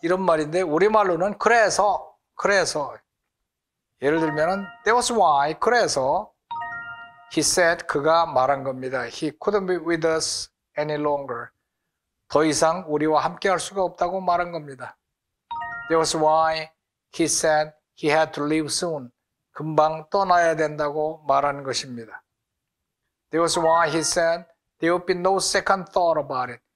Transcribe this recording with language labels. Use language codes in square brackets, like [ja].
[ko] 이런 말인데 우리말로는 그래서 예를 들면은 that was why 그래서 he said 그가 말한 겁니다. [en] he couldn't be with us any longer. [ko] 더 이상 우리와 함께 할 수가 없다고 말한 겁니다. [en] that was why he said he had to leave soon. [ko] 금방 떠나야 된다고 말한 것입니다. [en] that was why he said there would be no second thought about it.